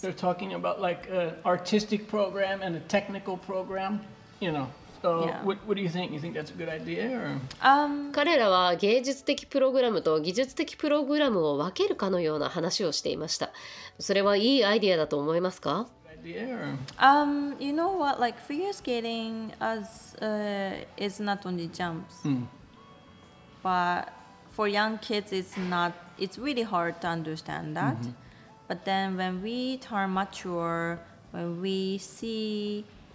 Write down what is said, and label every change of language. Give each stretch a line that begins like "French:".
English: They're talking about like an artistic program and a technical program, you know. What do you think? You think that's a good idea? Or?
Japanese: 彼らは芸術的プログラムと技術的プログラムを分けるかのような話をしていました。それはいいアイデアだと思いますか？
English: You know what? Like figure skating as, is not only jumps.、 Mm. But for young kids, it's really hard to understand that.、Mm-hmm. But then when we turn mature, when we see...